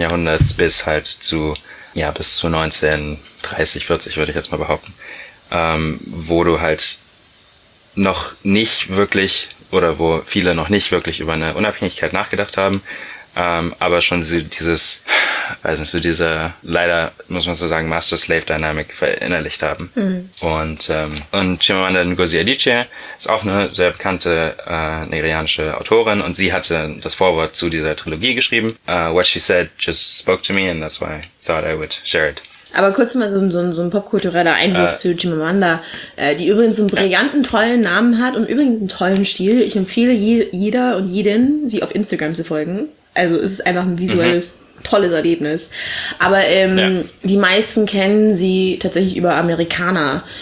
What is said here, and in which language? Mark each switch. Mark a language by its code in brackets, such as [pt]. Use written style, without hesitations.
[de] Jahrhunderts, bis halt zu, ja, bis zu 1930, 40, würde ich jetzt mal behaupten, wo du halt noch nicht wirklich, oder wo viele noch nicht wirklich über eine Unabhängigkeit nachgedacht haben, aber schon dieses, weiß nicht, so diese, leider muss man so sagen, Master-Slave-Dynamic verinnerlicht haben. Mhm. Und Chimamanda Ngozi Adichie ist auch eine sehr bekannte nigerianische Autorin und sie hatte das Vorwort zu dieser Trilogie geschrieben. [en] What she said just spoke to me and that's why I thought I would share it. [de] Aber kurz mal so ein popkultureller Einwurf zu Chimamanda, die übrigens einen brillanten, tollen Namen hat und übrigens einen tollen Stil. Ich empfehle jeder und jeden, sie auf Instagram zu folgen. Also es ist einfach ein visuelles, tolles Erlebnis. Aber die meisten kennen sie tatsächlich über Americana.